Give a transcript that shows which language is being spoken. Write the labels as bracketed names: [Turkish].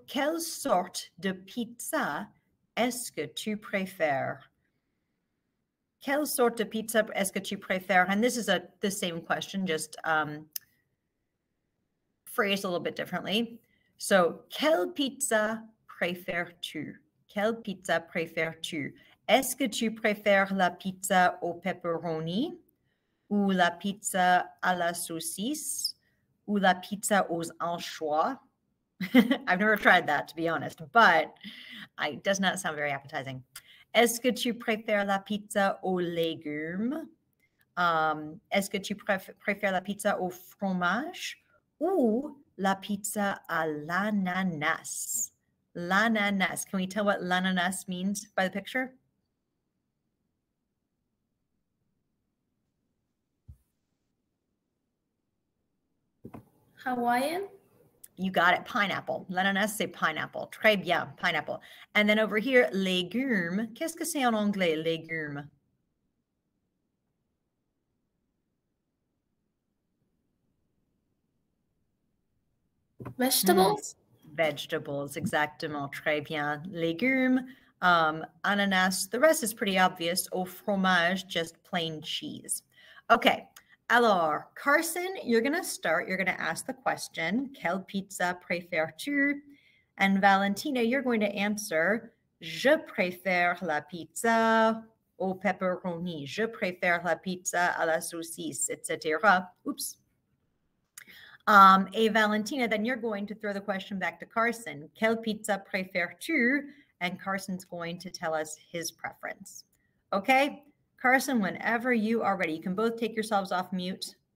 [French] Quelle sorte de pizza est-ce que tu préfères? Quelle sorte de pizza est-ce que tu préfères? [English] And this is the same question, just phrased a little bit differently. [French] So, quelle pizza préfères-tu? Quelle pizza préfères-tu? Est-ce que tu préfères la pizza au pepperoni ou la pizza à la saucisse ou la pizza aux anchois? [English] I've never tried that, to be honest, but it does not sound very appetizing. [French] Est-ce que tu préfères la pizza aux légumes? Est-ce que tu préfères la pizza au fromage ou la pizza à l'ananas? L'ananas. [English] Can we tell what l'ananas means by the picture? Hawaiian? You got it. Pineapple. [French] L'ananas, c'est pineapple. Très bien. [English] Pineapple. And then over here, légume. [French] Qu'est-ce que c'est en anglais, légume? [English] Vegetables? [French] Vegetables, exactement. Très bien. Légumes, ananas. [English] The rest is pretty obvious. [French] Au fromage, [English] just plain cheese. Okay. [French] Alors, [English] Carson, you're going to start. You're going to ask the question, [French] quelle pizza préfères-tu? [English] And Valentina, you're going to answer, [French] je préfère la pizza au pepperoni. Je préfère la pizza à la saucisse, etc. [English] Oops. [French] Et Valentina, [English] then you're going to throw the question back to Carson. [French] Quelle pizza préfères-tu? [English] And Carson's going to tell us his preference. Okay, Carson, whenever you are ready, you can both take yourselves off mute.